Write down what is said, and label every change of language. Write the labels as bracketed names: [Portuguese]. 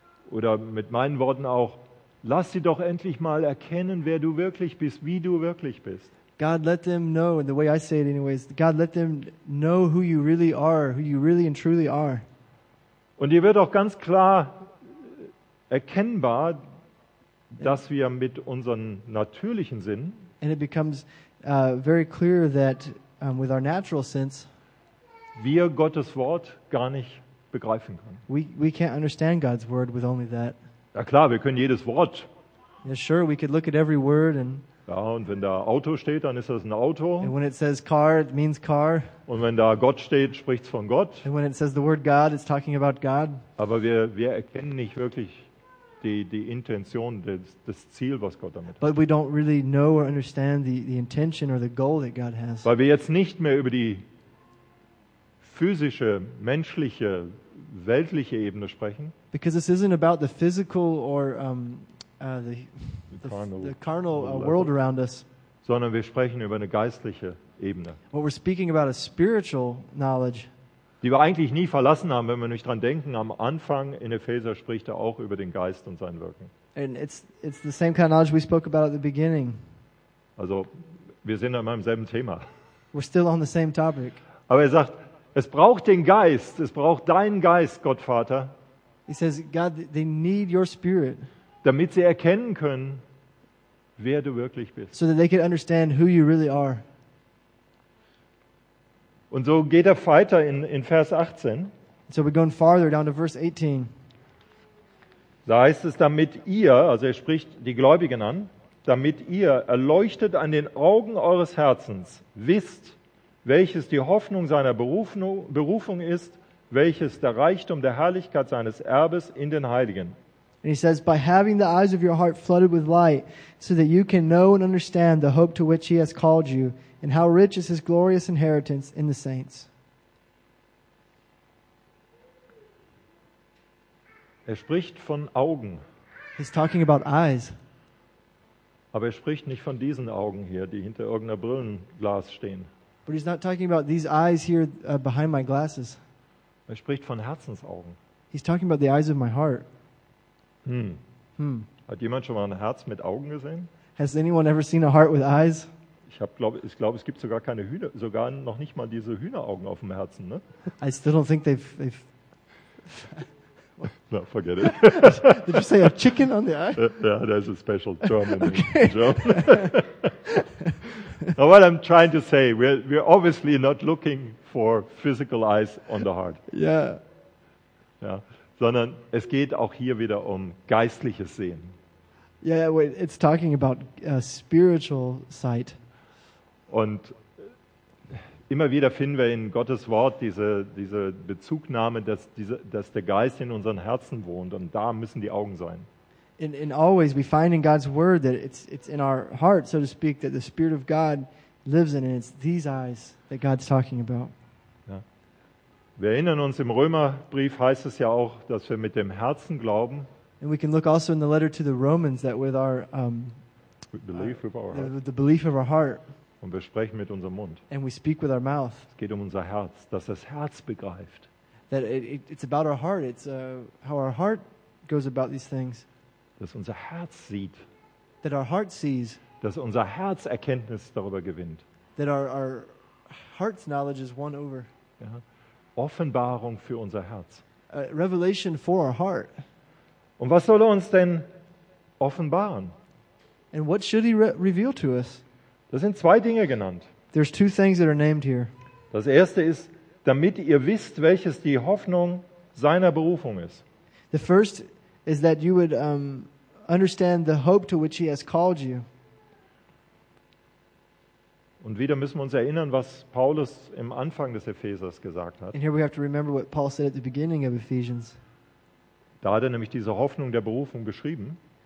[German] Oder mit meinen Worten auch, lass sie doch endlich mal erkennen, wer du wirklich bist, wie du wirklich bist. [English] God, let them know, and the way I say it anyways, God, let them know who you really are, who you really and truly are. [German] Und ihr wird auch ganz klar erkennbar, dass wir mit unseren natürlichen Sinnen, [English] and it becomes very clear that with our natural sense, [German] wir Gottes Wort gar nicht begreifen können. [English] We can't understand God's word with only that. [German] Ja klar, wir können jedes Wort. [English] Yeah, sure, we could look at every word and. [German] Ja, und wenn da Auto steht, dann ist das ein Auto. [English] And when it says car, it means car. [German] Und wenn da Gott steht, spricht's von Gott. [English] And when it says the word God, it's talking about God. [German] Aber wir erkennen nicht wirklich die Intention, das Ziel, was Gott damit hat. [English] But we don't really know or understand the intention or the goal that God has. [German] Weil wir jetzt nicht mehr über die physische, menschliche, weltliche Ebene sprechen. [English] Because this isn't about the physical or the carnal world around us. [German] Sondern wir sprechen über eine geistliche Ebene. [English] What we're speaking about is spiritual knowledge. [German] Die wir eigentlich nie verlassen haben, wenn wir nicht dran denken. Am Anfang in Epheser spricht er auch über den Geist und sein Wirken. [English] And it's the same kind of knowledge we spoke about at the beginning. [German] Also, wir sind immer im selben Thema. [English] We're still on the same topic. [German] Aber er sagt, es braucht den Geist, es braucht deinen Geist, Gott Vater. [English] He says, God, they need your spirit. [German] Damit sie erkennen können, wer du wirklich bist. [English] So that they can understand who you really are. [German] Und so geht er weiter in Vers 18. [English] So we're going farther down to verse 18. [German] Da heißt es, damit ihr, also er spricht die Gläubigen an, damit ihr erleuchtet an den Augen eures Herzens wisst, welches die Hoffnung seiner Berufung ist, welches der Reichtum der Herrlichkeit seines Erbes in den Heiligen. [English] And he says, by having the eyes of your heart flooded with light, so that you can know and understand the hope to which he has called you, and how rich is his glorious inheritance in the saints. [German] Er spricht von Augen. [English] He's talking about eyes. [German] Aber er spricht nicht von diesen Augen hier, die hinter irgendeiner Brillenglas stehen. [English] But he's not talking about these eyes here behind my glasses. [German] Er spricht von Herzensaugen. [English] He's talking about the eyes of my heart. [German] Hat jemand schon mal ein Herz mit Augen gesehen? [English] Has anyone ever seen a heart with eyes? [German] Ich glaube, es gibt sogar keine Hühner, sogar noch nicht mal diese Hühneraugen auf dem Herzen, ne? [English] I still don't think they've No, forget it. Did you say a chicken on the eye? Yeah, there's a special term in German. Now what I'm trying to say, we're obviously not looking for physical eyes on the heart. Yeah. Yeah. [German] Sondern es geht auch hier wieder um geistliches Sehen. [English] It's talking about a spiritual sight. [German] Und immer wieder finden wir in Gottes Wort diese Bezugnahme, dass der Geist in unseren Herzen wohnt und da müssen die Augen sein. [English] In always we find in God's word that it's in our heart, so to speak, that the Spirit of God lives in, and it's these eyes that God's talking about. [German] Wir erinnern uns, im Römerbrief heißt es ja auch, dass wir mit dem Herzen glauben. [English] And we can look also in the letter to the Romans that with our the belief of our heart. [German] Und wir sprechen mit unserem Mund. [English] And we speak with our mouth. [German] Es geht um unser Herz, dass das Herz begreift. [English] That it's about our heart. It's how our heart goes about these things. [German] Dass unser Herz sieht. [English] That our heart sees. [German] Dass unser Herz Erkenntnis darüber gewinnt. [English] That our heart's knowledge is won over. [German] Ja. Offenbarung für unser Herz. [English] Revelation for our heart. [German] Und was soll er uns denn offenbaren? [English] And what should he reveal to us? [German] Das sind zwei Dinge genannt. [English] There's two things that are named here. [German] Das erste ist, damit ihr wisst, welches die Hoffnung seiner Berufung ist. [English] The first is that you would understand the hope to which he has called you. [German] Und wieder müssen wir uns erinnern, was Paulus im Anfang des Ephesers gesagt hat. [English] And here we have to remember what Paul said at the beginning of Ephesians. [German] Da hat er nämlich diese Hoffnung der Berufung geschrieben.